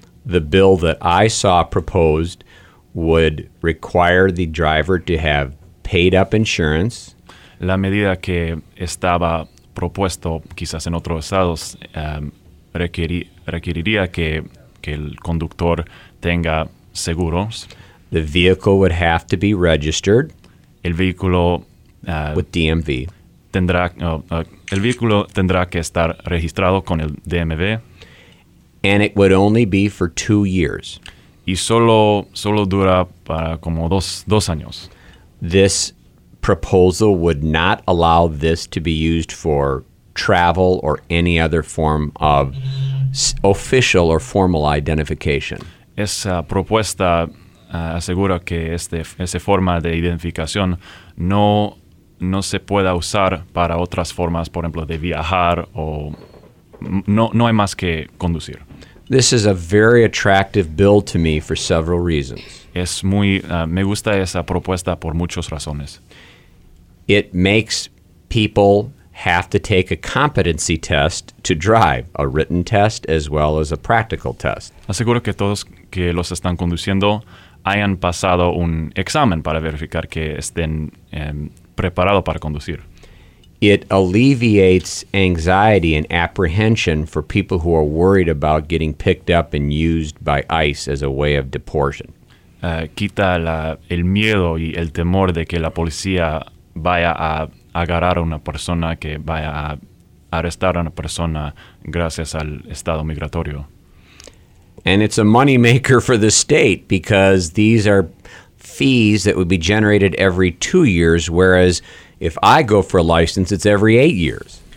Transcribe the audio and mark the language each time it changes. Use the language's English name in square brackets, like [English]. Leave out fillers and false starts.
[English] The bill that I saw proposed would require the driver to have paid up insurance. [Spanish] La medida que estaba propuesto quizás en otros estados requeriría que el conductor tenga seguros. [English] The vehicle would have to be registered. [Spanish] El vehículo [English] with DMV. [Spanish] El vehículo tendrá que estar registrado con el DMV. [English] And it would only be for 2 years. [Spanish] Y solo dura para como dos años. [English] This proposal would not allow this to be used for travel or any other form of official or formal identification. [Spanish] Esa propuesta asegura que esa forma de identificación no se pueda usar para otras formas, por ejemplo, de viajar o no hay más que conducir. [English] This is a very attractive bill to me for several reasons. [Spanish] Es muy me gusta esa propuesta por muchas razones. [English] It makes people have to take a competency test to drive, a written test as well as a practical test. [Spanish] Aseguro que todos que los están conduciendo hayan pasado un examen para verificar que estén preparados para conducir. [English] It alleviates anxiety and apprehension for people who are worried about getting picked up and used by ICE as a way of deportation. [Spanish] Quita el miedo y el temor de que la policía vaya a agarrar a una persona que vaya a arrestar a una persona gracias al estado migratorio. [English] And it's a money maker for the state because these are fees that would be generated every 2 years, whereas if I go for a license, it's every 8 years.